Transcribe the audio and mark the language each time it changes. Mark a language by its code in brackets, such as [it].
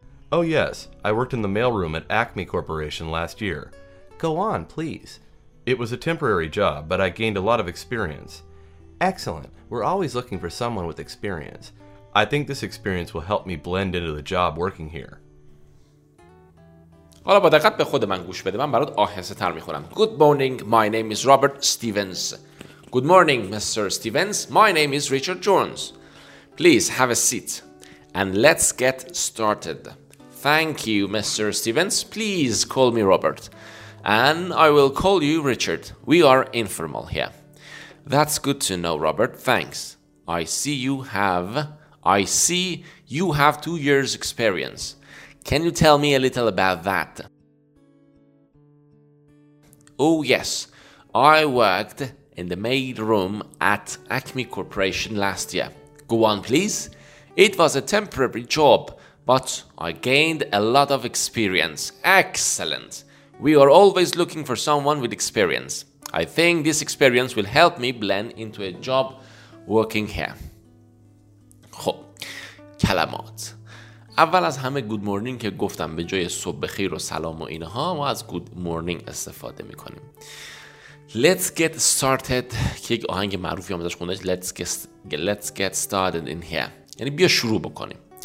[en] Oh, yes. I worked in the mailroom at Acme Corporation last year. Go on, please. It was a temporary job, but I gained a lot of experience. Excellent. We're always looking for someone with experience. I think this experience will help me blend into the job working here. [fa] حالا با دقت به خود من گوش بده، من برات آهسته تر میخونم. [en] Good morning, my name is Robert Stevens. Good morning, Mr. Stevens. My name is Richard Jones. Please have a seat and let's get started. Thank you, Mr. Stevens. Please call me Robert and I will call you Richard. We are informal here. That's good to know, Robert. Thanks. I see you have 2 years experience. Can you tell me a little about that? Oh, yes. I worked in the mail room at Acme Corporation last year. Go on, please. It was a temporary job, but I gained a lot of experience. Excellent. We are always looking for someone with experience. I think this experience will help me blend into a job working here. [fa] خب، کلمات. اول از همه گود مورنینگ که گفتم، به جای صبح بخیر و سلام و اینها ما از گود مورنینگ استفاده میکنیم. [en] Let's get started [fa] که یک آهنگ معروفی هم ازش خوندهش. [en] Let's get started in here. [fa] یعنی بیا شروع بکنیم.